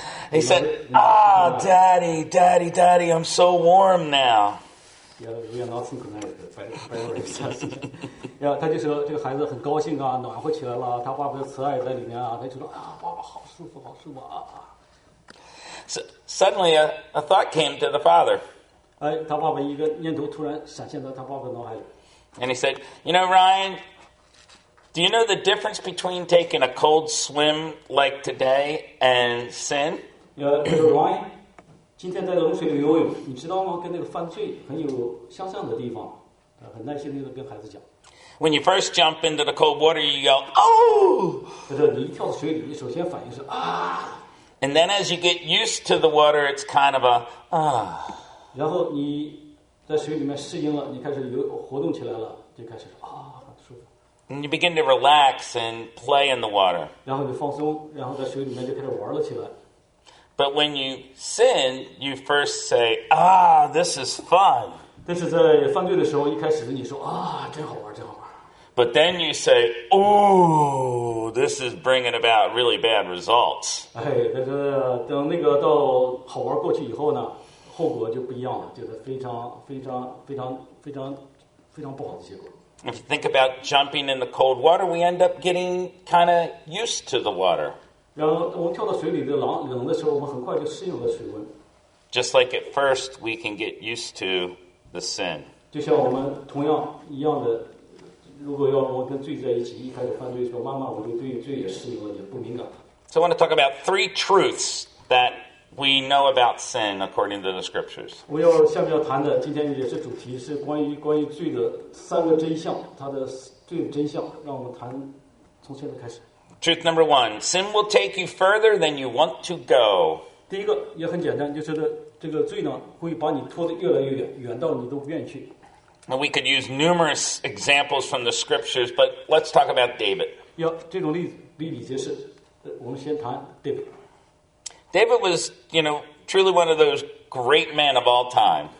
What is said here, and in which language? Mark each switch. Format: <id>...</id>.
<en>He said, "Ah, daddy, daddy, daddy, I'm so warm now." Yeah, we are not synchronized.</en> <zh>Yeah, 他就说这个孩子很高兴啊，暖和起来了。他爸爸的慈爱在里面啊，他就说啊，爸爸好舒服，好舒服啊。</zh> <en>Suddenly, a thought came to the father.</en> <zh>哎，他爸爸一个念头突然闪现到他爸爸脑海里。</zh> <en>And he said, "You know, Ryan." Do you know the difference between taking a cold swim like today and sin?</en> <zh>Ryan, 今天在冷水里游泳，你知道吗？跟那个犯罪很有相像的地方。很耐心地跟孩子讲。</zh> <en>When you first jump into the cold water, you go, "Oh!"</en> <zh>就是你一跳水里，你首先反应是啊。</zh> <en>And then as you get used to the water, it's kind of a, ah.</en> <zh>然后你在水里面适应了，你开始游活动起来了，就开始说啊。</zh> <en>And you begin to relax and play in the water.</en> <zh>然后你放松，然后在水里面就开始玩了起来。</zh> <en>But when you sin, you first say, "Ah, this is fun."</en> <zh>但是在犯罪的时候，一开始你说啊，真好玩，真好玩。</zh> <en>But then you say, "Ooh, this is bringing about really bad results."</en> <zh>哎，但是等那个到好玩过去以后呢，后果就不一样了，就是非常非常非常非常非常不好的结果。</zh> <en>If you think about jumping in the cold water, we end up getting kind of used to the water.</en> <zh>然后我们跳到水里的冷的时候，我们很快就适应了水温。</zh> <en>Just like at first, we can get used to the sin.</en> <zh>就像我们同样一样的，如果要我跟罪在一起，一开始犯罪的时候，慢慢我就对罪也适应了，也不敏感。</zh> <en>So I want to talk about three truths that we know about sin according to the scriptures.</en> <zh>我要下面要谈的，今天也是主题是关于罪的三个真相，它的罪的真相。让我们谈，从现在开始。</zh> <en>Truth number one: sin will take you further than you want to go.</en> <zh>第一个也很简单，就是这个罪呢会把你拖得越来越远，远到你都不愿意去。</zh> <en>And we could use numerous examples from the scriptures, but let's talk about David.</en> <zh>要这种例子比比皆是，我们先谈 David。</zh> <en>David was, you know, truly one of those great men of all time.</en>